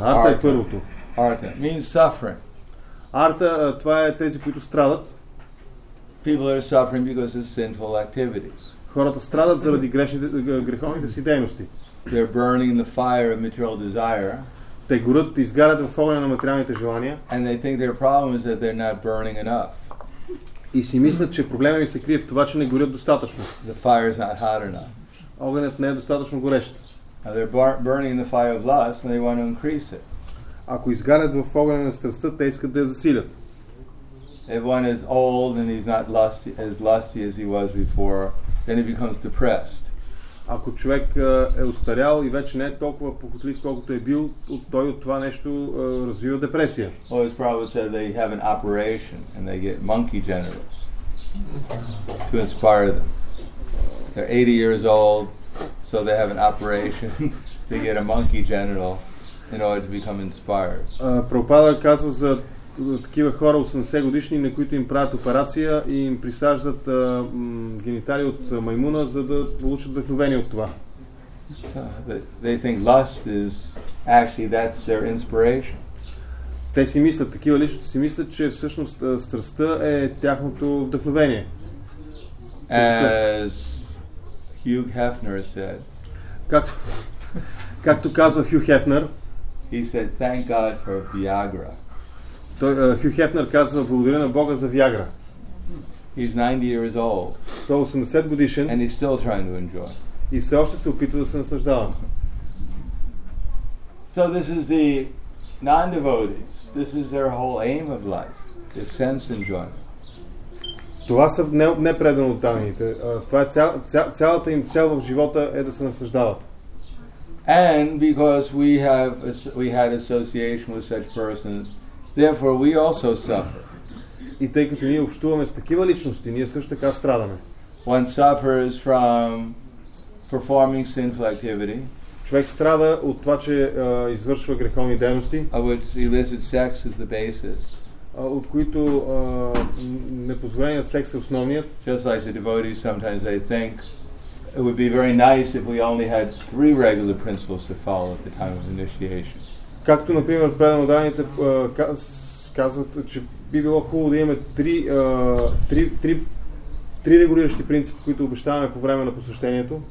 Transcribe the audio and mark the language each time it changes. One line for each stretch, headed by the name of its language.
Bulgarian: Artha е първото.
English: Artha means suffering.
Bulgarian: Artha, това е тези, които страдат.
English: People are suffering because of sinful activities.
Bulgarian: Хората страдат заради греховните си дейности.
English: They're burning the fire of material desire.
Bulgarian: Те горят, изгарят в огъня на материалните желания.
English: And they think their problem is that they're not burning enough.
Bulgarian: И си мислят, че проблема им се крие в това, че не горят достатъчно.
English: The fire is not hot enough.
Bulgarian: Огънят не е достатъчно горещ.
English: Now they're burning the fire of lust and they want to increase it.
Bulgarian: Ако изгарят в огъня на страстта, те искат да я засилят.
English: If one is old and he's not lusty, as lusty as he was before, then he becomes depressed.
Bulgarian: Ако човек е устарял и вече не е толкова похотлив, колкото е бил, той от това нещо развива депресия.
English: Well, it's probably said they have an operation and they get monkey genitals to inspire them. They're 80 years old, so they have an operation. They get a monkey genital in order to become inspired.
Bulgarian: Прабхупада казва за такива хора 80 годишни, на които им правят операция и им присаждат генитали от маймуна, за да получат вдъхновение от това.
English: They think lust is actually that's their inspiration.
Bulgarian: Те си мислят, такива личности си мислят, че всъщност страстта е тяхното вдъхновение.
English: As Hugh Hefner said.
Bulgarian: Както казва Хю Хефнер.
English: He said, "Thank God for Viagra."
Bulgarian: Хю Хефнер казва, благодаря на Бога за Виагра.
English: He's 90 years old.
Bulgarian: Той е 80 годишен.
English: And he's still trying to enjoy.
Bulgarian: И все още се опитва да се наслаждава.
English: So this is the non-devotees. This is their whole aim of life. The sense enjoyment.
Bulgarian: Това са непредано от данните. Това е цялата им цел в живота е да се наслаждават.
English: And because we had association with such persons, therefore we also suffer.
Bulgarian: И тъй като ние общуваме с такива личности, ние също така страдаме.
English: One suffers from performing sinful activity.
Bulgarian: Човек страда от това, че извършва греховни дейности.
English: Of which illicit sex is the basis.
Bulgarian: От които непозволеният секс е основният.
English: Just like the devotees sometimes they think it would be very nice if we only had three regular principles to follow at the time of initiation.
Bulgarian: Както например преданите казват, че би било хубаво да имаме три регулиращи принципи, които обещаваме по време на посещението.